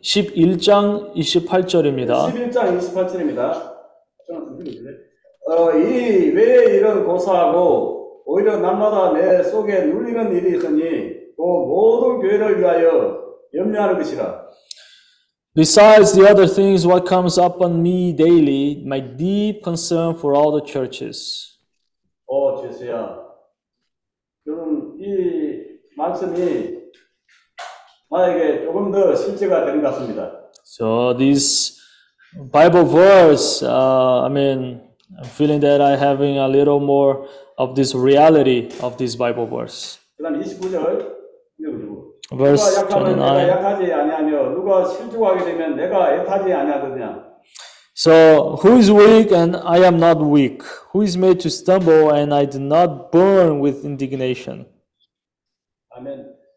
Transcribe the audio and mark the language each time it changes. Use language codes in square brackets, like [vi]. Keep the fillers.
[ko] 11장 28절입니다. 11장 28절입니다. 좀 이왜 이런 고사하고 오히려 날마다 내 속에 눌리는 일이 있으니 또 모든 교회를 위하여 염려하는 것이라. [en] Besides the other things, what comes up on me daily, my deep concern for all the churches. [ko] 오 주세요. 그럼 이 말씀이 나에게 조금 더 실제가 되는 것 같습니다. [en] So this Bible verse, uh, I mean. I'm feeling that I having a little more of this reality of this Bible verse. Verse 29. So, who is weak and I am not weak? Who is made to stumble and I do not burn with indignation? Amen.